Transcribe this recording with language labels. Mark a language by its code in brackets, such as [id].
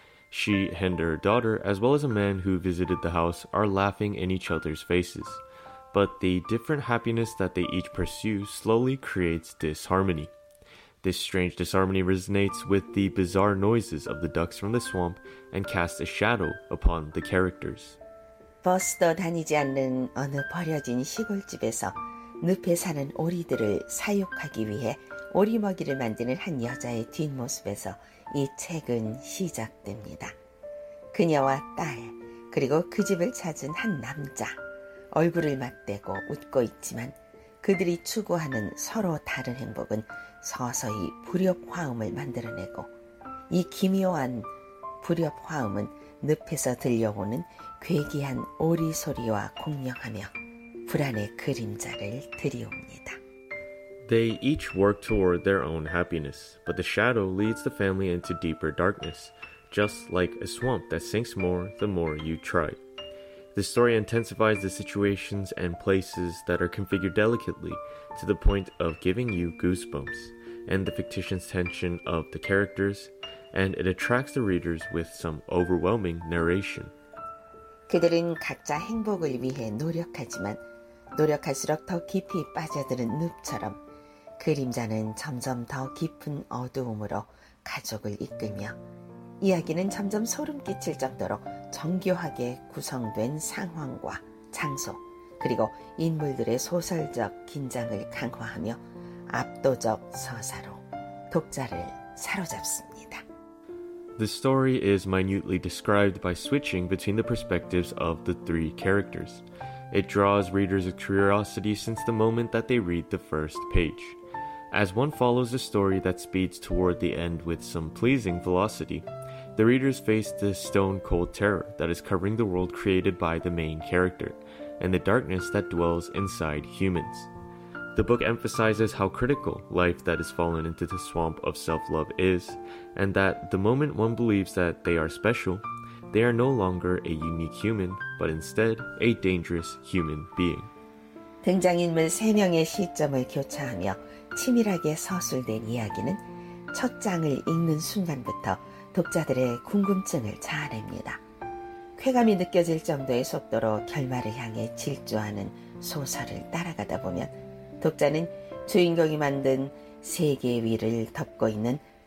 [en] She and her daughter, as well as a man who visited the house, are laughing in each other's faces. But the different happiness that they each pursue slowly creates disharmony. This strange disharmony resonates with the bizarre noises of the ducks from the swamp and casts a shadow upon the characters. [ko] 버스도 다니지 않는 어느 버려진 시골집에서 늪에 사는 오리들을 사육하기 위해 오리먹이를 만드는 한 여자의 뒷모습에서 이 책은 시작됩니다. 그녀와 딸, 그리고 그 집을 찾은 한 남자, 얼굴을 맞대고 웃고 있지만 그들이 추구하는 서로 다른 행복은 서서히 불협화음을 만들어내고 이 기묘한 불협화음은 늪에서 들려오는 괴기한 오리 소리와 공명하며 불안의 그림자를 드리옵니다. [en] They each work toward their own happiness, but the shadow leads the family into deeper darkness, just like a swamp that sinks more the more you try. The story intensifies the situations and places that are configured delicately to the point of giving you goosebumps. and the fictitious tension of the characters, and it attracts the readers with some overwhelming narration. [ko] 그들은 각자 행복을 위해 노력하지만 노력할수록 더 깊이 빠져드는 늪처럼 그림자는 점점 더 깊은 어두움으로 가족을 이끌며 이야기는 점점 소름 끼칠 정도로 정교하게 구성된 상황과 장소 그리고 인물들의 소설적 긴장을 강화하며 압도적 서사로 독자를 사로잡습니다. [en] The story is minutely described by switching between the perspectives of the three characters. It draws readers' curiosity since the moment that they read the first page. As one follows a story that speeds toward the end with some pleasing velocity, the readers face the stone-cold terror that is covering the world created by the main character, and the darkness that dwells inside humans. The book emphasizes how critical life that has fallen into the swamp of self-love is, and that the moment one believes that they are special, they are no longer a unique human, but instead a dangerous human being. [ko] 등장인물 3명의 시점을 교차하며 치밀하게 서술된 이야기는 첫 장을 읽는 순간부터 독자들의 궁금증을 자아냅니다. 쾌감이 느껴질 정도의 속도로 결말을 향해 질주하는 소설을 따라가다 보면 독자는 주인공이 만든 세계 위를 덮고 있는